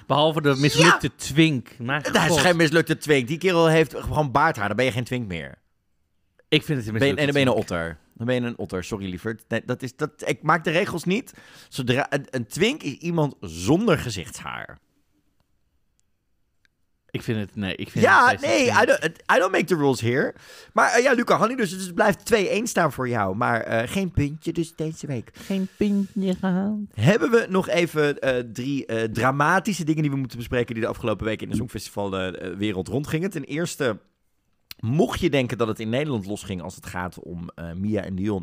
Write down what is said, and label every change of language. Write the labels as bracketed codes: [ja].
[nl] Behalve de mislukte twink. Maar dat is geen mislukte twink. Die kerel heeft gewoon baardhaar. Dan ben je geen twink meer. Ik vind het een mislukte twink. Dan ben je een otter. Dan ben je een otter. Sorry, lieverd. Nee, ik maak de regels niet. Zodra een twink is iemand zonder gezichtshaar. Ik vind het... Nee, ik vind [en] I don't make the rules here. [nl] Maar Luca Hanni, dus het blijft 2-1 staan voor jou. Maar geen puntje dus deze week. Geen puntje gehaald. Hebben we nog even drie dramatische dingen die we moeten bespreken die de afgelopen weken in de Songfestival wereld rondgingen. Ten eerste, mocht je denken dat het in Nederland losging als het gaat om Mia en Dion.